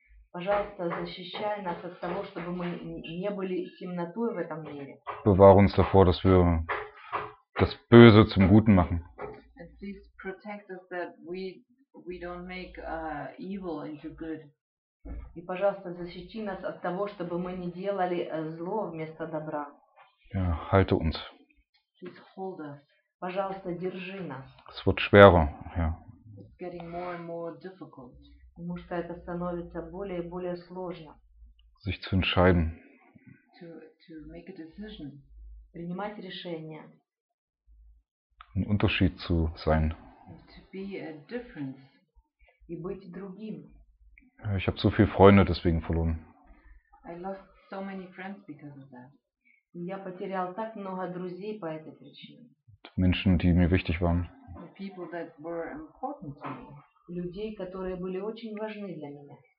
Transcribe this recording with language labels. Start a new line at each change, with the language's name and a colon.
Russian: Пожалуйста, защищай нас от того, чтобы мы не были темнотой в этом мире.
German: Bewahre uns davor, dass wir das Böse zum Guten machen.
English: And please protect us that we don't make evil into good.
Russian: И, пожалуйста, защити нас от того, чтобы мы не делали зло вместо добра.
German: Ja, halte uns.
English: Please hold us.
Russian: Пожалуйста, держи нас.
German: Es wird schwerer, ja.
English: It's getting more and more difficult.
Russian: Потому что это становится более и более сложно.
German: Sich zu entscheiden.
English: To make a decision.
Russian: Принимать решение.
German: Ein Unterschied zu sein.
English: To be a difference.
Russian: И быть другим.
German: Ich habe so viele Freunde deswegen verloren.
English: I lost so many friends because of that.
Russian: Я потерял так много друзей по этой причине.
German: Menschen, die mir wichtig waren.
English: The people that were important to me.
Russian: Людей, которые были очень важны для меня.